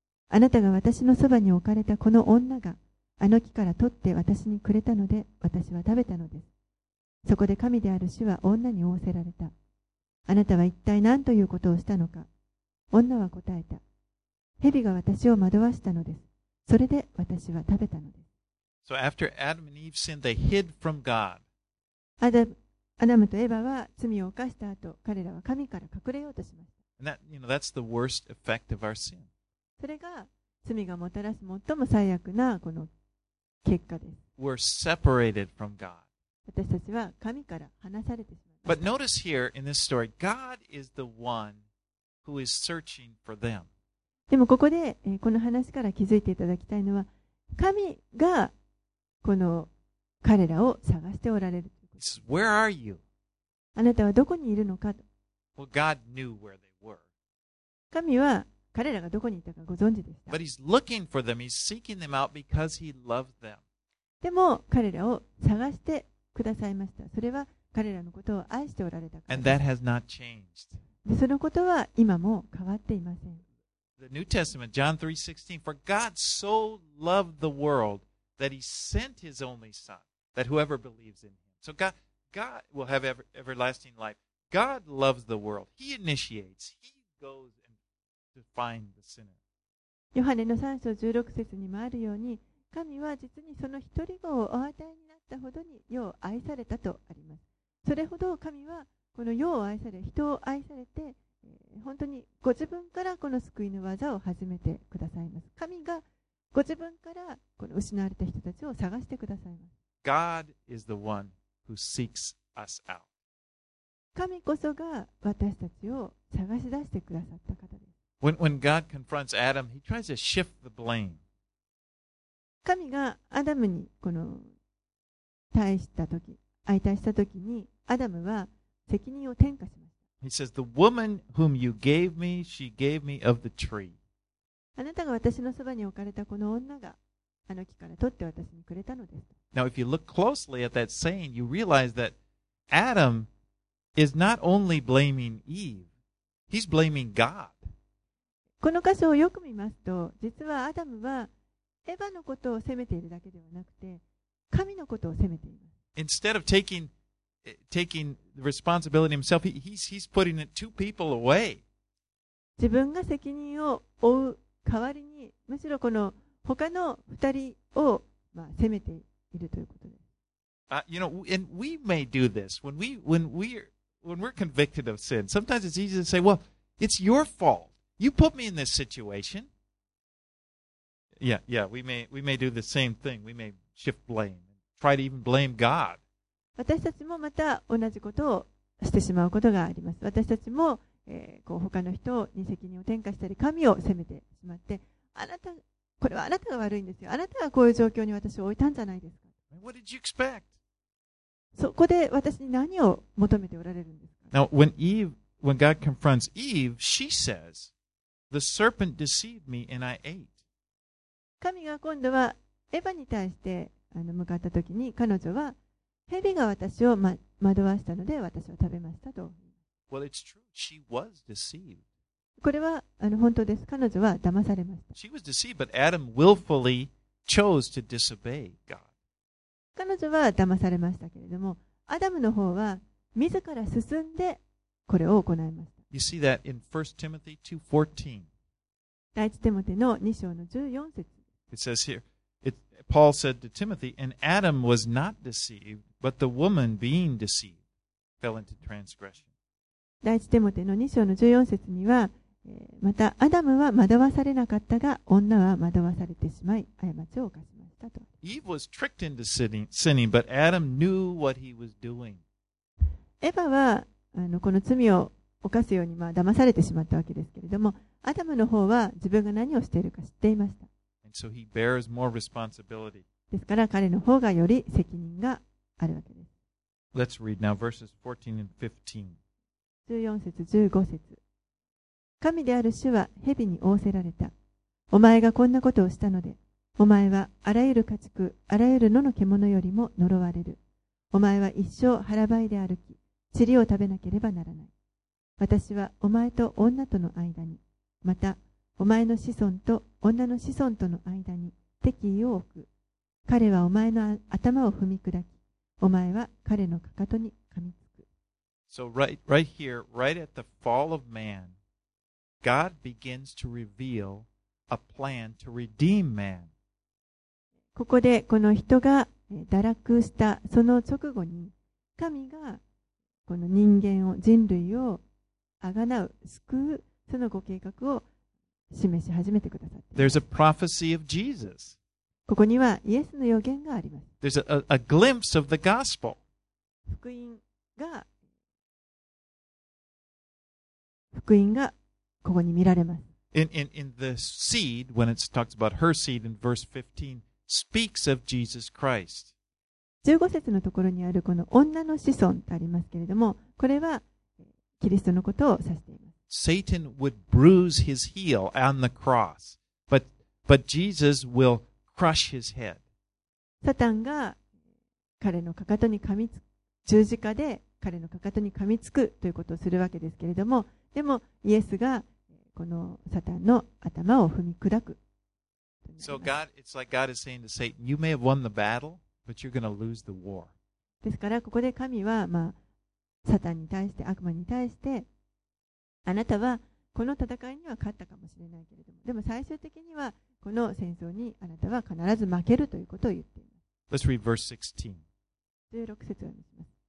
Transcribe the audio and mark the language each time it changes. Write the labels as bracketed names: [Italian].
[Japanese] あなたが私のそばに置かれたこの女があの木から取って私にくれたので私は食べたのです。そこで神である主は女に仰せられた。あなたは一体何ということをしたのか。女は答えた。蛇が私を惑わしたのです。それで私は食べたのです。 [English] So after Adam and Eve sinned, they hid from God. [Japanese] アダムとエヴァは罪を犯した後、彼らは神から隠れようとしました。 [English] And that, you know, that's the worst effect of our sin. [Japanese] それが罪がもたらす最も最悪なこの結果です。 [English] We're separated from God. [Japanese] 私たちは神から離されてしまいました。 [English] But notice here in this story, God is the one who is searching for them. [Japanese] でもここで、この話から気づいていただきたいのは、神がこの彼らを探しておられるということです。 [English] Where are you? [Japanese] あなたはどこにいるのかと。 [English] Well, God knew where they were. [Japanese] 神は彼らがどこにいたかご存知でした。 [English] But he's looking for them. He's seeking them out because he loved them. [Japanese] でも彼らを探してくださいました。それは彼らのことを愛しておられたからです。 [English] And that has not changed. [Japanese] でそのことは今も変わっていません。 [English] The New Testament, John 3:16, for God so loved the world that he sent his only son, that whoever believes in him. So God will have everlasting life. God loves the world. He initiates. He goes. Find the sinner. [Japanese] ヨハネの3章16節にもあるように、神は実にその一人子をお与えになったほどによう愛されたとあります。それほど神はこの世を愛され、人を愛されて、本当にご自分からこの救いの技を始めてくださいます。神がご自分からこの失われた人たちを探してくださいます。 [English] God is the one who seeks us out. [Japanese] 神こそが私たちを探し出してくださった方です。 [English] When God confronts Adam, he tries to shift the blame. [Japanese] 神がアダムにこの対した時、相対した時にアダムは責任を転嫁しました。 [English] He says, "The woman whom you gave me, she gave me of the tree." [Japanese] あなたが私のそばに置かれたこの女があの木から取って私にくれたのです。 [English] Now, if you look closely at that saying, you realize that Adam is not only blaming Eve, he's blaming God. [Japanese] この箇所をよく見ますと、実はアダムはエヴァのことを責めているだけではなくて、神のことを責めています。 [English] Instead of taking responsibility himself, he's putting it two people away. [Japanese] 自分が責任を負う代わりに、むしろこの他の二人を、まあ、責めているということです。 [English] You know, and we may do this. When we're convicted of sin, sometimes it's easy to say, well, it's your fault. You put me in this situation. Yeah, we may do the same thing. We may shift blame. Try to even blame God. [Japanese] 私たちもまた同じことをしてしまうことがあります。私たちも、こう他の人に責任を転嫁したり、神を責めてしまって、あなた、これはあなたが悪いんですよ。あなたがこういう状況に私を置いたんじゃないですか。 [English] What did you expect? [Japanese] そこで私に何を求めておられるんですか。 [English] Now, when God confronts Eve, she says,The serpent deceived me and I ate. [Japanese] 神が今度はエヴァに対して向かった時に彼女は蛇が私を、惑わしたので私は食べましたと。 [English] Well, it's true. She was deceived. [Japanese] これは本当です。彼女は騙されました。 [English] She was deceived, but Adam willfully chose to disobey God. [Japanese] 彼女は騙されましたけれども、アダムの方は自ら進んでこれを行いました。 [English] You see that in 1 Timothy 2:14. [Japanese] 第一テモテの2章の14節。 [English] It says here, Paul said to Timothy, and Adam was not deceived, but the woman being deceived fell into transgression. [Japanese] 第一テモテの2章の14節には、またアダムは惑わされなかったが、女は惑わされてしまい、過ちを犯しましたと。 [English] Eve was tricked into sinning, but Adam knew what he was doing. [Japanese] エヴァはこの罪を犯すように、騙されてしまったわけですけれども、アダムの方は自分が何をしているか知っていました。 [English] And so he bears more responsibility. [Japanese] ですから彼の方がより責任があるわけです。 [English] Let's read now verses 14 and 15. [Japanese] 14節15節。神である主は蛇に仰せられた。お前がこんなことをしたので、お前はあらゆる家畜、あらゆる野の獣よりも呪われる。お前は一生腹ばいで歩き、塵を食べなければならない。私はお前と女との間に、またお前の子孫と女の子孫との間に敵意を置く。彼はお前の頭を踏み砕き、お前は彼のかかとに。 [English] So right here, right at the fall of man, God begins to reveal a plan to redeem man. [Japanese] ここでこの人が堕落したその直後に神がこの人間を人類を贖う救うそのご計画を示し始めてくださって。 [English] There's a prophecy of Jesus. [Japanese] ここにはイエスの予言があります。 [English] There's a glimpse of the gospel. [Japanese] 福音が福音がここに見られます。 [English] In the seed, when it talks about her seed in verse 15, speaks of Jesus Christ. [Japanese] 15節のところにあるこの女の子孫とありますけれども、これはキリストのことを指しています。 [English] Satan would bruise his heel on the cross, but Jesus will crush his head. [Japanese] サタンが彼のかかとに噛みつく、十字架で彼のかかとに噛みつくということをするわけですけれども、でもイエスがこのサタンの頭を踏み砕く。 [English] So God, it's like God is saying to Satan, you may have won the battle, but you're going to lose the war. [Japanese] ですからここで神はサタンに対して悪魔に対して、あなたはこの戦いには勝ったかもしれないけれども、でも最終的にはこの戦争にあなたは必ず負けるということを言っています。 [English] Let's read verse 16. [Japanese] 16節を読みします。